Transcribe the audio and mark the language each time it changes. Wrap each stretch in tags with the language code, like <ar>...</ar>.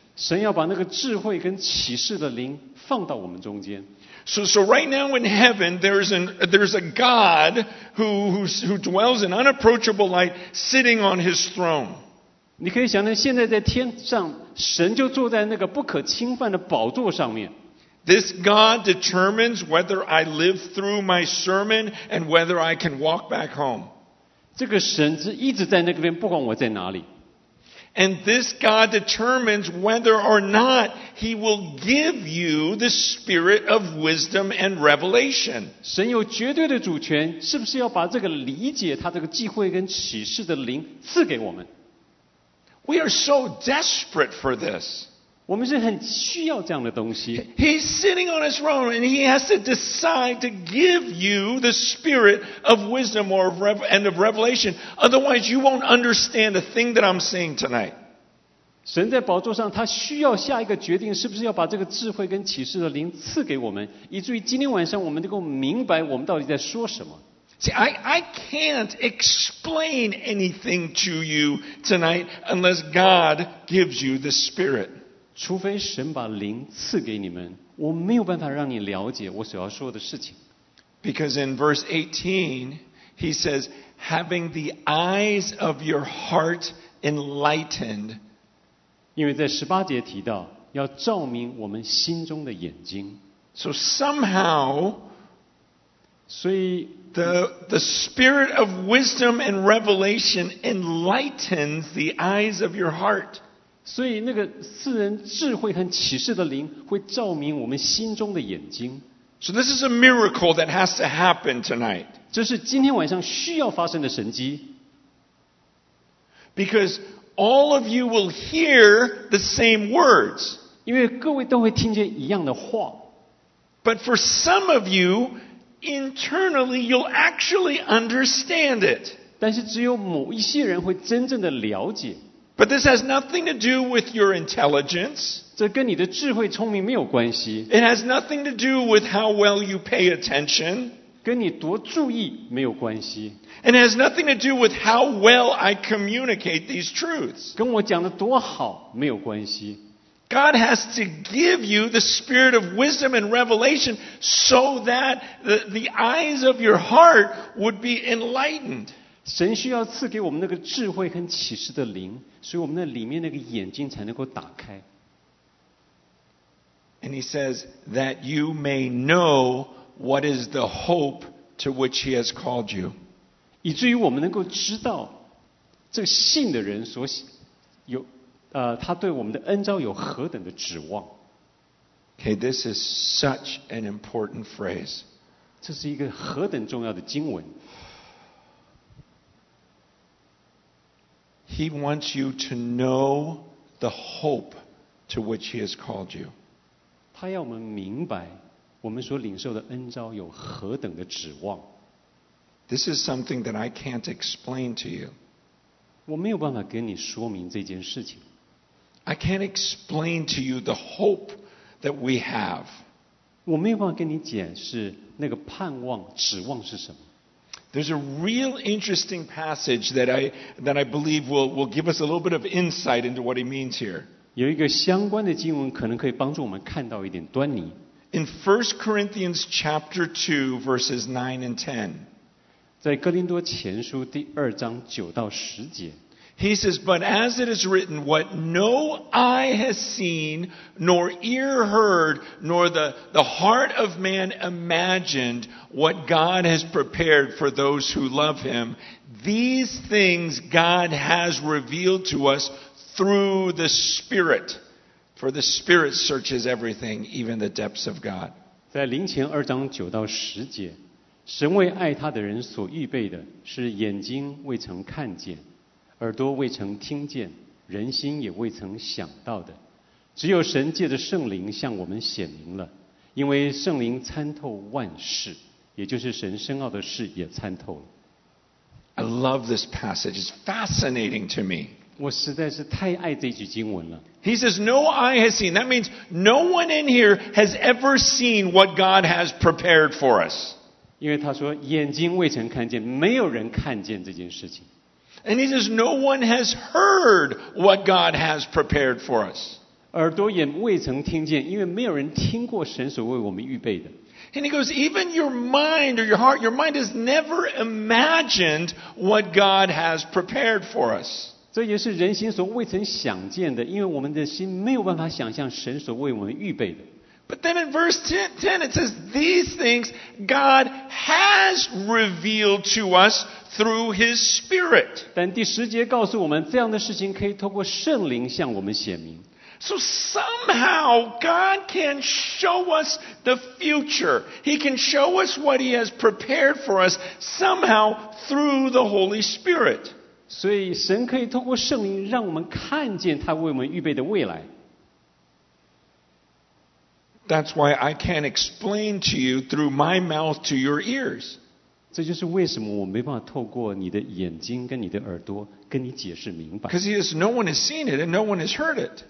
<zh>神要把那个智慧跟启示的灵放到我们中间。</zh> <en>So right now in heaven, there's a God who dwells in unapproachable light sitting on his throne.</en> <zh>你可以想到现在在天上，神就坐在那个不可侵犯的宝座上面。</zh> <en>This God determines whether I live through my sermon and whether I can walk back home.</en> <zh>这个神是一直在那边，不管我在哪里。</zh> <en>And this God determines whether or not He will give you the spirit of wisdom and revelation.</en> <zh>神有绝对的主权，是不是要把这个理解、他这个智慧跟启示的灵赐给我们？</zh> <en>We are so desperate for this.</en> <zh>我们是很需要这样的东西。</zh> <en>He's sitting on his throne and he has to decide to give you the spirit of wisdom and of revelation. Otherwise, you won't understand the thing that I'm saying tonight.</en> <zh>神在宝座上，他需要下一个决定，是不是要把这个智慧跟启示的灵赐给我们，以至于今天晚上我们能够明白我们到底在说什么。</zh> <en>See, I can't explain anything to you tonight unless God gives you the spirit.</en> <zh>除非神把灵赐给你们，我没有办法让你了解我所要说的事情。</zh> <en>Because in verse 18, he says, having the eyes of your heart enlightened.</en> <zh>因为在十八节提到，要照明我们心中的眼睛。</zh> <en>So somehow,</en> <zh>所以</zh> <en>the spirit of wisdom and revelation enlightens the eyes of your heart.</en> <zh>所以那个赐人智慧和启示的灵会照明我们心中的眼睛。</zh> <en>So this is a miracle that has to happen tonight.</en> <zh>这是今天晚上需要发生的神迹。</zh> <en>Because all of you will hear the same words.</en> <zh>因为各位都会听见一样的话。</zh> <en>But for some of you,internally you'll actually understand it.</en> <zh>但是只有某一些人会真正的了解。</zh> <en>But this has nothing to do with your intelligence.</en> <zh>这跟你的智慧聪明没有关系。</zh> <en>It has nothing to do with how well you pay attention.</en> <zh>跟你多注意没有关系。</zh> <en>And it has nothing to do with how well I communicate these truths.</en> <zh>跟我讲的多好没有关系。</zh> <en>God has to give you the spirit of wisdom and revelation so that the eyes of your heart would be enlightened.</en> <zh>神需要赐给我们那个智慧和启示的灵，所以我们那里面那个眼睛才能够打开。</zh> <en>And he says that you may know what is the hope to which he has called you.</en> <zh>以至于我们能够知道这个信的人所有他对我们的恩召有何等的指望。</zh> <en>Okay, this is such an important phrase.</en> <zh>这是一个何等重要的经文。</zh> <en>He wants you to know the hope to which he has called you.</en> <zh>他要我们明白我们所领受的恩召有何等的指望。</zh> <en>This is something that I can't explain to you.</en> <zh>我没有办法跟你说明这件事情。</zh> <en>I can't explain to you the hope that we have.</en> <zh>我没有办法跟你解释那个盼望、指望是什么。</zh> <en>There's a real interesting passage that I believe will give us a little bit of insight into what he means here.</en> <zh>有一个相关的经文可能可以帮助我们看到一点端倪。</zh> <en>In 1 Corinthians chapter 2, verses 9 and 10.</en> <zh>在哥林多前书第二章九到十节。</zh> <en>He says, but as it is written, what no eye has seen, nor ear heard, nor the heart of man imagined, what God has prepared for those who love him, these things God has revealed to us through the Spirit. For the Spirit searches everything, even the depths of God.</en> <zh>在灵前二章九到十节，神为爱他的人所预备的是眼睛未曾看见。耳朵未曾听见，人心也未曾想到的，只有神借着圣灵向我们显明了，因为圣灵参透万事，也就是神深奥的事也参透了。</zh> <en>I love this passage. It's fascinating to me.</en> <zh>我实在是太爱这句经文了。</zh> <en>He says, no eye has seen. That means no one in here has ever seen what God has prepared for us.</en> <zh>因为他说眼睛未曾看见，没有人看见这件事情。</zh> <en>And he says, no one has heard what God has prepared for us.</en> <zh>耳朵也未曾听见，因为没有人听过神所为我们预备的。</zh> <en>And he goes, even your mind or your heart, your mind has never imagined what God has prepared for us.</en> <zh>这也是人心所未曾想见的，因为我们的心没有办法想象神所为我们预备的。</zh> <en>But then in verse 10, it says, these things God has revealed to us through His Spirit.</en> <zh>但第十节告诉我们，这样的事情可以透过圣灵向我们显明。</zh> <en>So somehow God can show us the future. He can show us what He has prepared for us somehow through the Holy Spirit.</en> <zh>所以神可以透过圣灵让我们看见他为我们预备的未来。</zh> <en>That's why I can't explain to you through my mouth to your ears.</en> <zh>这就是为什么我没办法透过你的眼睛跟你的耳朵跟你解释明白。</zh> <en>Because he says no one has seen it and no one has heard it.</en>